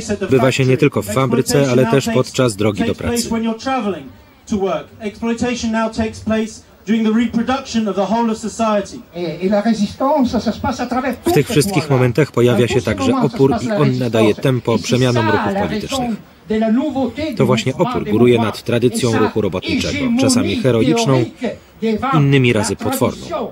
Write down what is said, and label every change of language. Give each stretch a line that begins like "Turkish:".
Polish: Bywa się nie tylko w fabryce, ale też podczas drogi do pracy.
English: To work. Exploitation now takes place during the reproduction of the whole of society.
Polish: W tych wszystkich momentach pojawia się także opór i on nadaje tempo przemianom ruchów politycznych. To właśnie opór góruje nad tradycją ruchu robotniczego, czasami heroiczną, innymi razy potworną.